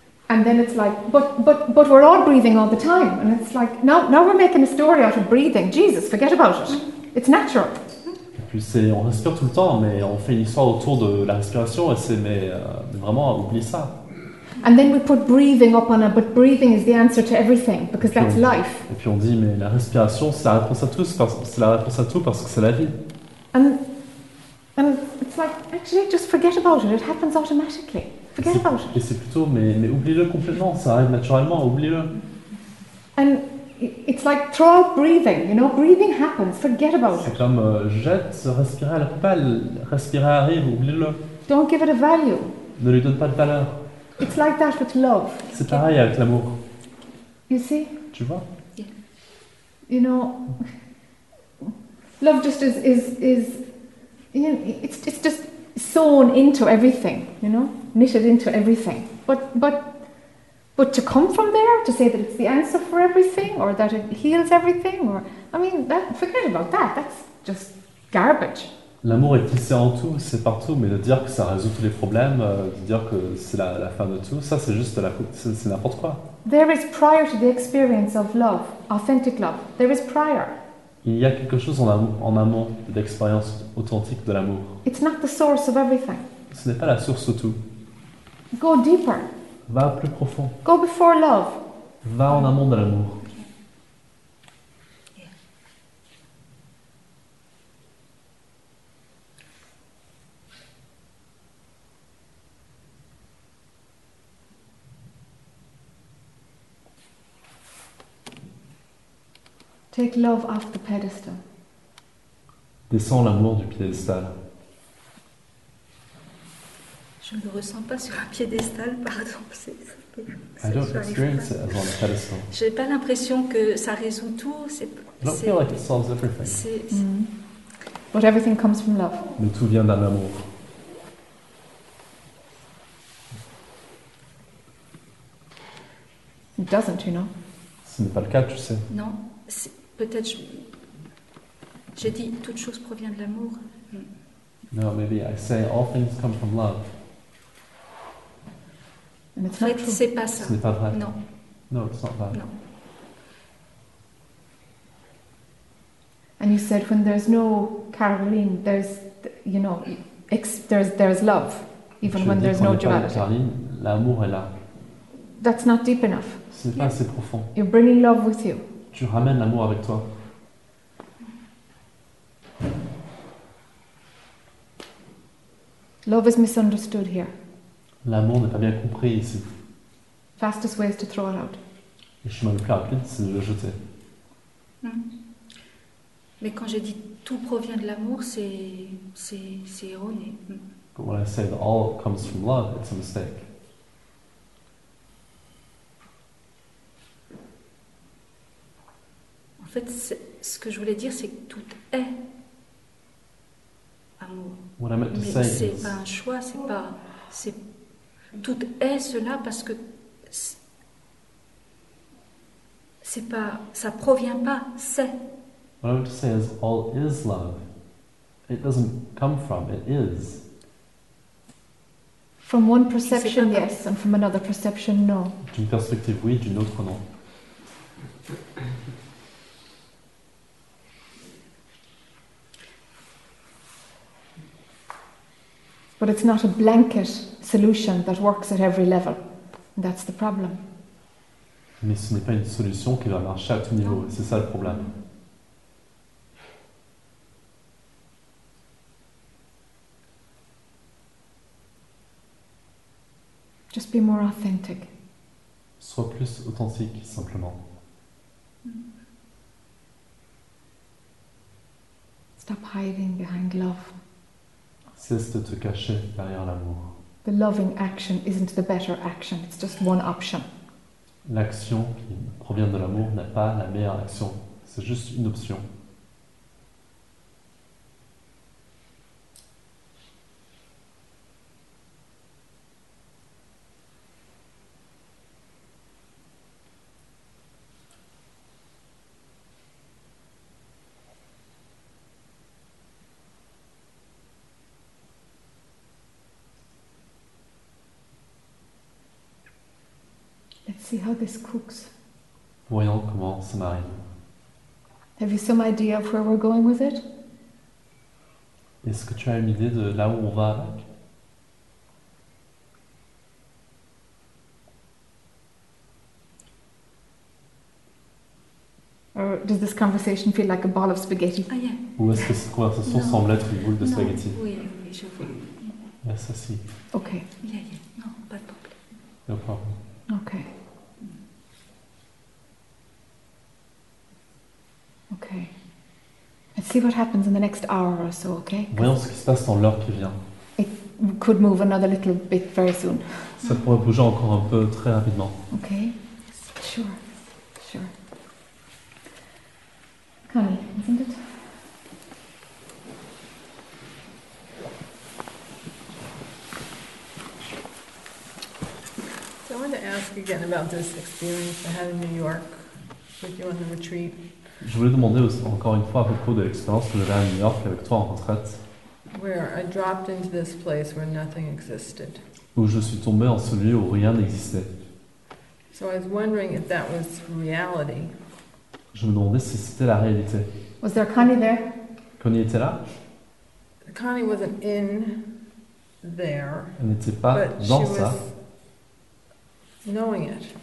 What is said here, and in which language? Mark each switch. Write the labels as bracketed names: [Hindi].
[English] And then it's like, but we're all breathing all the time. And it's like, now we're making a story out of breathing. Jesus, forget about it. It's natural. [French] Et puis c'est, on respire tout le temps, mais on fait une histoire autour de la respiration, et c'est, mais vraiment, oublie ça. [English] And then we put breathing up on a, but breathing is the answer to everything, because that's life. [French] Et puis on dit, mais la respiration, c'est la réponse à tout, parce que c'est la vie. [English] And it's like, actually, just forget about it. It happens automatically. [French] Et c'est plutôt, mais oublie-le complètement, ça arrive naturellement, oublie-le. [English] And it's like throw out breathing, you know, breathing happens, forget about it. [French] C'est comme jette, respirer à la poubelle, respirer arrive, oublie-le. [English] Don't give it a value. [French] Ne lui donne pas de valeur. [English] It's like that with love. [French] C'est pareil avec l'amour. [English] You see? [French] Tu vois? [English] Yeah. You know, love just is, you know, it's just sewn into everything, you know. Knitted into everything, but to come from there to say that it's the answer for everything or that it heals everything or I mean that forget about that, that's just garbage. [French] L'amour est tissé en tout, c'est partout, mais de dire que ça résout tous les problèmes, de dire que c'est la fin de tout, ça c'est juste c'est n'importe quoi. [English] There is prior to the experience of love, authentic love. There is prior. [French] Il y a quelque chose en amont de l'expérience authentique de l'amour. [English] It's not the source of everything. [French] Ce n'est pas la source de tout. [English] Go deeper. [French] Va plus profond. [English] Go before love. [French] Va en amont de l'amour. [English] Take love off the pedestal. [French] Descends l'amour du piédestal. Je ne le ressens pas sur un piédestal, pardon. [English] I don't experience it as on a pedestal. [French] Je n'ai pas l'impression que ça résout tout. [English] I don't feel like it solves everything. But everything comes from love. [French] Mais tout vient d'un amour. [English] It doesn't, you know. [French] Ce n'est pas le cas, tu sais. Non, c'est, peut-être. J'ai dit toute chose provient de l'amour. [English] No, maybe I say all things come from love. [French] En fait, c'est pas ça. Ce n'est pas vrai. Non. [English] No, it's not [French] vrai. Non. [English] And you said when there's no Caroline, there's, you know, there's love, even when there's no duality. [French] Quand il n'y a pas Caroline, l'amour est là. [English] That's not deep enough. [French] Ce n'est pas assez profond. [English] You're bringing love with you. [French] Tu ramènes l'amour avec toi. [English] Love is misunderstood here. [French] L'amour n'est pas bien compris ici. [English] Fastest way is to throw it out. [French] Le chemin le plus rapide, c'est de le jeter. Mm. Mais quand j'ai dit tout provient de l'amour, c'est erroné. [English] But when I say that all comes from love, it's a mistake. [French] En fait, ce que je voulais dire, c'est que tout est à amour. [English] What I meant to say [French] is, pas un choix, c'est pas, c'est tout est cela parce que c'est pas, ça provient pas, c'est. [English] What I meant to say is, all is love. It doesn't come from, it is. From one perception, yes, and from another perception, no. [French] D'une perspective, oui, d'une autre, non. [English] But it's not a blanket solution that works at every level. That's the problem. [French] Mais ce n'est pas une solution qui va marcher à tout niveau. C'est ça le problème. [English] Just be more authentic. [French] Sois plus authentique, simplement. [English] Stop hiding behind love. [French] Cesse de te cacher derrière l'amour. [English] The loving action isn't the better action, it's just one option. [French] L'action qui provient de l'amour n'est pas la meilleure action, c'est juste une option. [English] See how this cooks. [French] Voyons comment ça marine. [English] Have you some idea of where we're going with it? [French] Est-ce que tu as une idée de là où on va avec? [English] Or does this conversation feel like a ball of spaghetti? Oh, yeah. [French] Ou est-ce que cette conversation [English] no. [French] semble être une boule de [English] no. [French] spaghetti? Oui, je vois. Ça si. Ok. [English] Yeah, yeah. No, [French] pas de problème. [English] No problem. Ok. Okay. Let's see what happens in the next hour or so, okay? [French] Voyons ce qui se passe dans l'heure qui vient. [English] It could move another little bit very soon. [French] Ça pourrait bouger encore un peu très rapidement. [English] Okay. Sure. Sure. Connie, isn't it? So I want to ask again about this experience I had in New York with you on the retreat. [French] Je voulais demander aussi, encore une fois à propos de l'expérience que j'avais à New York avec toi en retraite. [English] Where I dropped into this place where nothing existed. [French] Où je suis tombé en ce lieu où rien n'existait. [English] So I was wondering if that was reality. [French] Je me demandais si c'était la réalité. [English] Was there Connie there? [French] Connie était là? [English] Connie wasn't in there. [French] Elle n'était pas [English] but [French] dans [English] she [French] ça. [English] Was knowing it.